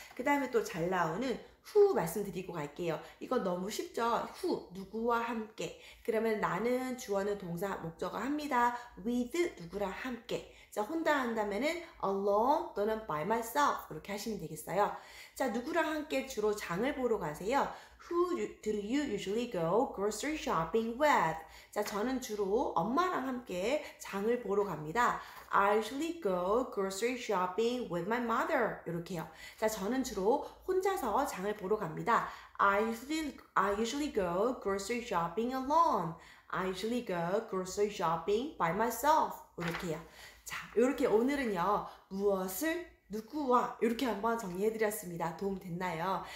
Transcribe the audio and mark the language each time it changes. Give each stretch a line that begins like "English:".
Korean: 그 다음에 또 잘 나오는 who 말씀드리고 갈게요. 이거 너무 쉽죠? who, 누구와 함께. 그러면 나는, 주어는, 동사, 목적어 합니다. with, 누구랑 함께. 자, 혼자 한다면은 alone 또는
English: by myself
Korean: 이렇게 하시면 되겠어요. 자, 누구랑 함께 주로 장을 보러 가세요.
English: Who do you usually go grocery shopping with?
Korean: 자, 저는 주로 엄마랑 함께 장을 보러 갑니다.
English: I usually go grocery shopping with my mother.
Korean: 이렇게요. 자, 저는 주로 혼자서 장을 보러 갑니다.
English: I usually go grocery shopping alone. I usually go grocery shopping by myself.
Korean: 이렇게요. 자, 이렇게 오늘은요, 무엇을 누구와 이렇게 한번 정리해드렸습니다. 도움 됐나요?